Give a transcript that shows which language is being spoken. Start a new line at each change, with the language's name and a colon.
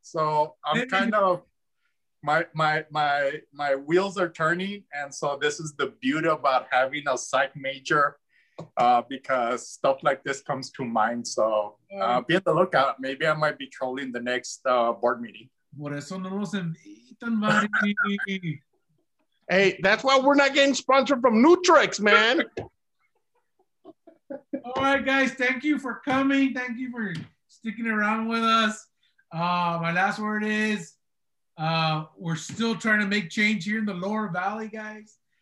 English: So I'm kind of, my wheels are turning. And so this is the beauty about having a psych major, because stuff like this comes to mind. So be on the lookout. Maybe I might be trolling the next board meeting.
Spanish: Por eso no los invitan, Mari.
English: Hey, that's why we're not getting sponsored from Nutrex, man. All right, guys. Thank you for coming. Thank you for sticking around with us. My last word is, we're still trying to make change here in the Lower Valley, guys.